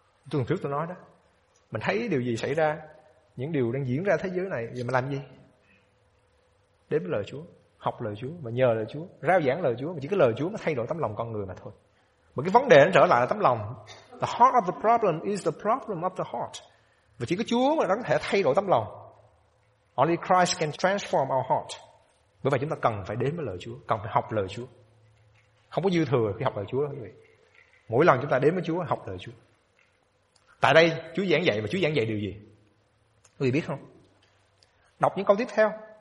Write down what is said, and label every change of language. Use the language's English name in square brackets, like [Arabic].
[Vietnamese] Tuần trước tôi nói đó, mình thấy điều gì xảy ra, những điều đang diễn ra thế giới này, giờ mình làm gì? Đến với lời Chúa, học lời Chúa và nhờ lời Chúa, rao giảng lời Chúa. Mà chỉ có lời Chúa mới thay đổi tấm lòng con người mà thôi. Mà cái vấn đề nó trở lại là tấm lòng. [English] The heart of the problem is the problem of the heart. [Vietnamese] Và chỉ có Chúa mới có thể thay đổi tấm lòng. [English] Only Christ can transform our heart. [Vietnamese] Bởi vậy chúng ta cần phải đến với lời Chúa, cần phải học lời Chúa. Không có dư thừa khi học lời Chúa đâu quý vị. Mỗi lần chúng ta đến với Chúa, học lời Chúa. Tại đây Chúa giảng dạy, mà Chúa giảng dạy điều gì? Quý vị biết không? Đọc những câu tiếp theo.